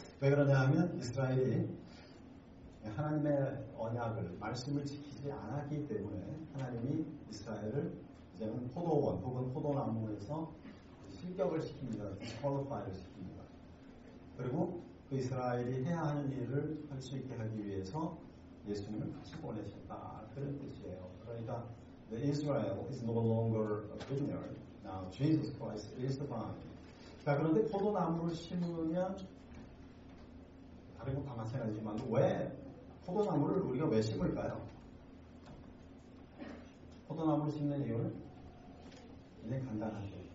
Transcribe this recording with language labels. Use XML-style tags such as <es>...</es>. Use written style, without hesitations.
<ko>왜 그러냐 하면 이스라엘이 하나님의 언약을 말씀을 지키지 않았기 때문에 하나님이 이스라엘을 이제는 포도원 혹은 포도나무에서 실격을 시킵니다. 퀄리파이를 시킵니다. 그리고 그 이스라엘이 해야 하는 일을 할 수 있게 하기 위해서 예수님을 다시 보내셨다. 그런 뜻이에요. 그러니까</ko> <en>the Israel is no longer a prisoner. Now Jesus Christ is the vine.</en> <ko>자, 그런데 포도나무를 심으면 다른 것도 마찬가지지만 왜 포도나무를 우리가 왜 심을까요? 포도나무를 심는 이유는 굉장히 간단하죠.</ko>